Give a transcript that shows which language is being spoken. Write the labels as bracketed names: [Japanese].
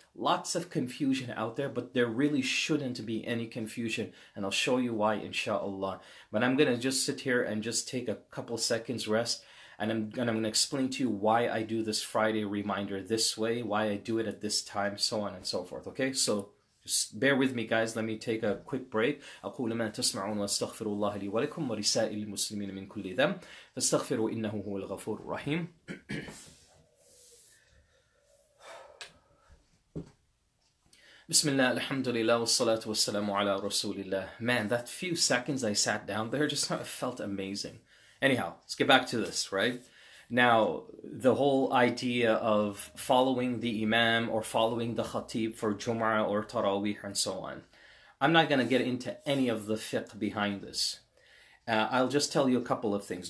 [English] Lots of confusion out there, but there really shouldn't be any confusion. And I'll show you why, inshallah. But I'm going to just sit here and just take a couple seconds rest. And I'm going to explain to you why I do this Friday reminder this way, why I do it at this time, so on and so forth. Okay, so just bear with me, guys. Let me take a quick break. [Arabic] أقول ما تسمعون واستغفر الله لي ولكم ورسائل المسلمين من كل ذنب فاستغفروا إنه هو الغفور الرحيم. بسم الله الحمد لله والصلاة والسلام على رسول الله. [English] Man, that few seconds I sat down there just felt amazing. Anyhow, let's get back to this, right? Now, the whole idea of following the imam or following the khatib for Jum'ah or Taraweeh and so on. I'm not going to get into any of the fiqh behind this. I'll just tell you a couple of things.